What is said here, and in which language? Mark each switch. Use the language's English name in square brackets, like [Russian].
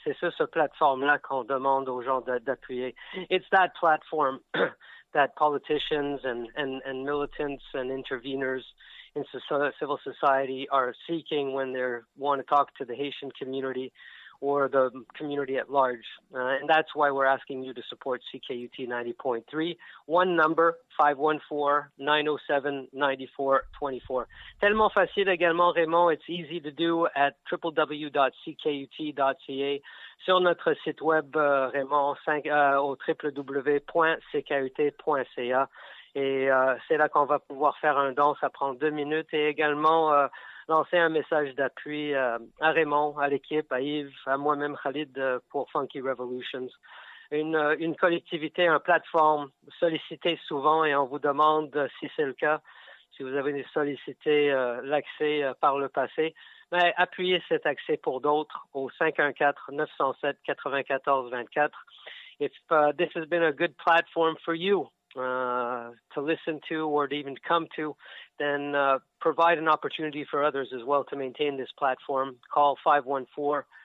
[French] C'est sur cette plateforme-là qu'on demande aux gens d'appuyer. [English] It's that platform. That politicians and militants and interveners in civil society are seeking when they want to talk to the Haitian community or the community at large. And that's why we're asking you to support CKUT 90.3. One number, 514-907-9424. [French] Tellement facile également, [English] Raymond, it's easy to do at www.ckut.ca. [French] Sur notre site web, Raymond, au www.ckut.ca. Et c'est là qu'on va pouvoir faire un don, ça prend 2 minutes. Et également, lancer un message d'appui à Raymond, à l'équipe, à Yves, à moi-même, Khalid, pour Funky Revolutions. Une collectivité, une plateforme sollicitée souvent, et on vous demande, si c'est le cas, si vous avez sollicité l'accès par le passé, mais appuyez cet accès pour d'autres au 514-907-9424. [English] This has been a good platform for you to listen to or to even come to, then provide an opportunity for others as well to maintain this platform. Call 514